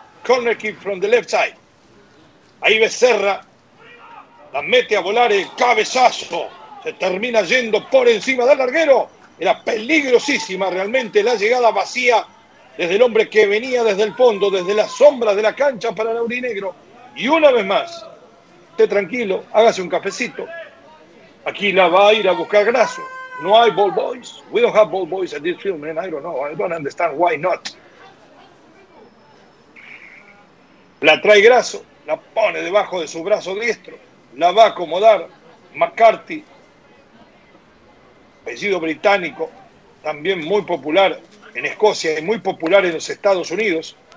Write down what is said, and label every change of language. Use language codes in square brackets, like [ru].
[en] Corner kick from the left side. [es] Ahí Becerra la mete a volar, el cabezazo se termina yendo por encima del larguero. Era peligrosísima realmente la llegada vacía desde el hombre que venía desde el fondo, desde las sombras de la cancha para el aurinegro. Y una vez más, esté tranquilo, hágase un cafecito. Aquí la va a ir a buscar Grasso. No hay ball boys. [en] We don't have ball boys in this film, man. I don't know. I don't understand why not. [es] La trae Grasso. La pone debajo de su brazo diestro. La va a acomodar McCarthy. Apellido británico. También muy popular en Escocia y muy popular en los Estados Unidos.